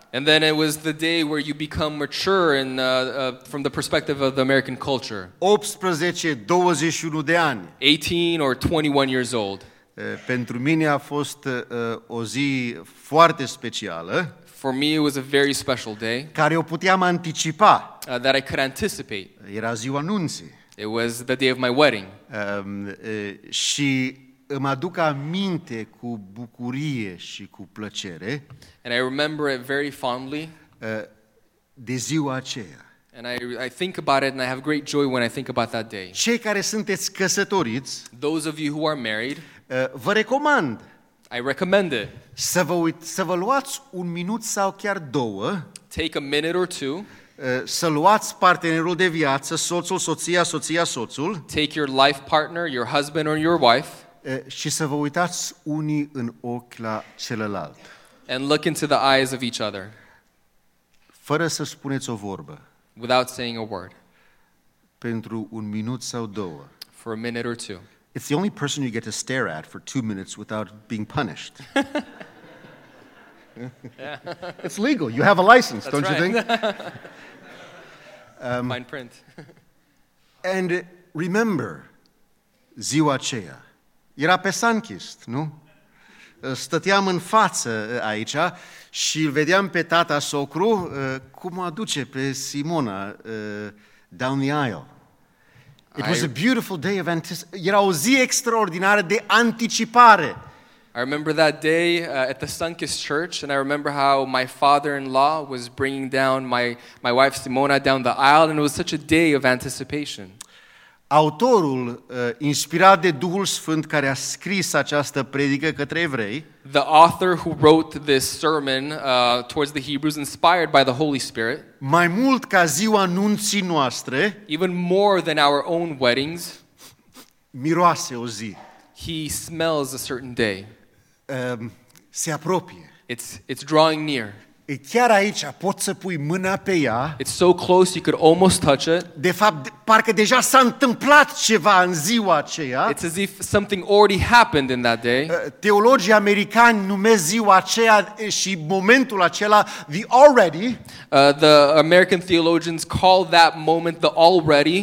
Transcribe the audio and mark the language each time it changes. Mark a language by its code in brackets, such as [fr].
[en] And then it was the day where you become mature in, from the perspective of the American culture. [ro] 18, 21 de ani. [en] 18 or 21 years old. [ro] Pentru mine a fost o zi foarte specială. [en] For me it was a very special day. [ro] Care o puteam anticipa. [en] That I could anticipate. [ro] Era ziua nunții. [en] It was the day of my wedding. [ro] Și îmi aduc aminte cu bucurie și cu plăcere. [en] And I remember it very fondly. [ro] De ziua aceea. [en] And I think about it and I have great joy when I think about that day. [ro] Cei care sunteți căsătoriți, [en] those of you who are married, [ro] vă recomand. [en] I recommend it. [ro] Să vă luați un minut sau chiar două. [en] Take a minute or two. [ro] Să luați partenerul de viață, soțul, soția, soția, soțul. [en] Take your life partner, your husband or your wife. [ro] Și să vă uitați unii în ochi la celălalt. [en] And look into the eyes of each other. [ro] Fără să spuneți o vorbă. [en] Without saying a word. [ro] Pentru un minut sau două. [en] For a minute or two. It's the only person you get to stare at for 2 minutes without being punished. Yeah. It's legal. You have a license, that's don't right. You think? Fine print. And remember, [ro] ziua aceea. Era pe Sunkist, nu? Stăteam în față aici și îl vedeam pe tata socru cum o aduce pe Simona [en] down the aisle. It was a beautiful day of anticipation. [ro] Era o zi extraordinară de anticipare. [en] I remember that day at the Sunkist Church and I remember how my father-in-law was bringing down my wife Simona down the aisle and it was such a day of anticipation. [ro] Autorul, inspirat de Duhul Sfânt care a scris această predică către evrei, [en] the author who wrote this sermon towards the Hebrews, inspired by the Holy Spirit, [ro] mai mult ca ziua nunții noastre, [en] even more than our own weddings, [ro] miroase o zi. [en] He smells a certain day. [ro] Se apropie. [en] It's drawing near. [ro] E chiar aici, poți să pui mâna pe ea. [en] It's so close, you could almost touch it. [ro] De fapt, parcă deja s-a întâmplat ceva în ziua aceea. [en] It's as if something already happened in that day. [ro] Teologii americani numesc ziua aceea și momentul acela [en] the already. The American theologians call that moment the already.